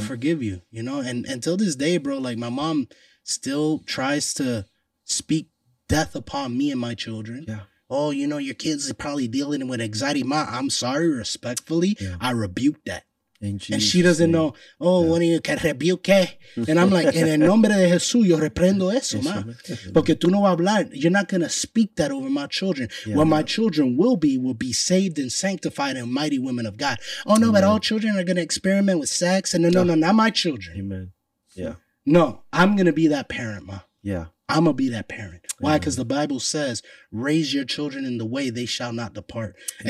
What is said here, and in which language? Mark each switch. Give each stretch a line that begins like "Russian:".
English: I forgive you, you know, and till this day, bro, like my mom still tries to speak death upon me and my children. Yeah. Oh, you know, your kids are probably dealing with anxiety. Ma, I'm sorry, respectfully, I rebuke that. And she doesn't know, what do you can rebuke? And I'm like,
Spanish: en el nombre de Jesús, yo reprendo eso, ma. Porque tú no vas a hablar.
English: You're not going to speak that over my children. Yeah, what my children will be saved and sanctified and mighty women of God. Oh, no, but all children are going to experiment with sex. And no, not my children. Amen. Yeah. No, I'm going to be that parent, ma. Yeah. I'm going to be that parent. Why? Because the Bible says, raise your children in the way they shall not depart. Amen.